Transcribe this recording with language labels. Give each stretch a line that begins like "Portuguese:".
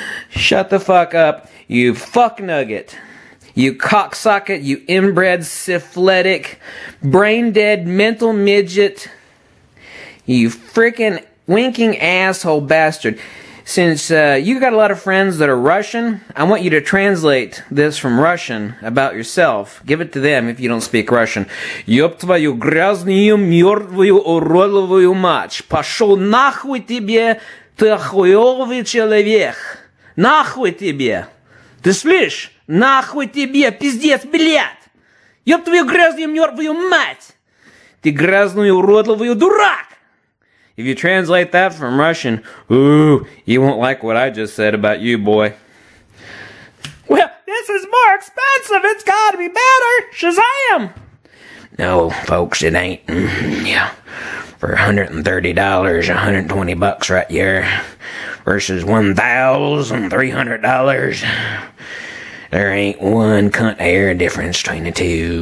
English: Shut the fuck up, you fuck nugget. You cocksocket, you inbred, syphilitic, brain-dead, mental midget. You freaking winking asshole bastard. Since you got a lot of friends that are Russian, I want you to translate this from Russian about yourself. Give it to them if you don't speak Russian.
Russian: Ёб твою грязную, мёртвую, уродливую мать. Пошёл нахуй тебе, ты хуёвый человек. Нахуй тебе. Ты слышишь? Нахуй тебе, пиздец, блядь. Ёб твою грязную, мёртвую мать. Ты грязную, уродливую дурак.
English: If you translate that from Russian, ooh, you won't like what I just said about you, boy. Well, this is more expensive. It's got to be better. Shazam! No, folks, it ain't. Yeah. For $130, $120 right here, versus $1,300, there ain't one cunt hair difference between the two.